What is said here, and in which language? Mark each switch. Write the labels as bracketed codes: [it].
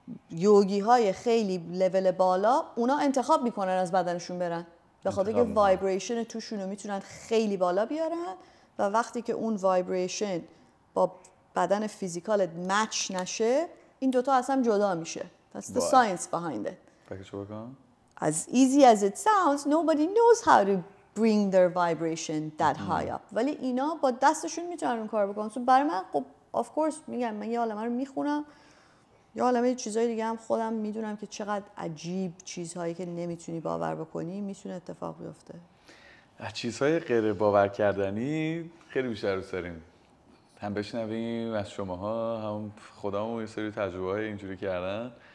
[fa] یوگی های خیلی لول بالا اونا انتخاب میکنن از بدنشون برن، به خاطر که وایبریشن توشون رو میتونن خیلی بالا بیارن و وقتی که اون وایبریشن با بدن فیزیکال مچ نشه، این دوتا اصلا جدا میشه. [en] That's the science behind it. As easy as it sounds, nobody knows how to bring their vibration that high up. [fa] ولی اینا با دستشون میتونن اون کار بکنن. سو برای من خب [en] of course [fa] میگم، من یه عالمه رو میخونم، یه عالمه چیزهای دیگه هم خودم میدونم که چقدر عجیب چیزهایی که نمیتونی باور بکنی میتونه اتفاق بیفته. چیزهای غیر باور کردنی خیلی بیشتر دوست داریم هم بشنویم از شماها، هم خودمو یه سری تجربه های اینجوری کردن.